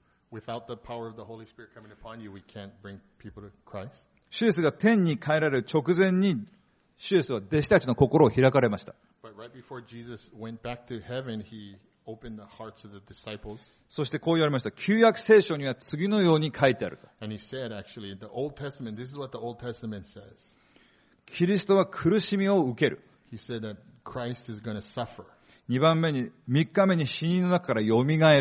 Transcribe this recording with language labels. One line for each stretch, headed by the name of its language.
English: Without the power of the Holy Spirit coming upon you, we can't bring people to Christ.
Japanese: シュエスが天に帰られる直前に、シュエスは弟子たちの心を開かれました。
English: But right before Jesus went back to heaven, he opened the hearts of the disciples.
Japanese: そしてこう言われました。旧約聖書には次のように書いてある。
English: And he said, actually, the Old Testament, this is what the Old Testament says.
Japanese: キリストは苦しみを受ける。
English: He said that Christ is going to suffer.
Japanese: 2番目に、3日目に死人の中から蘇る。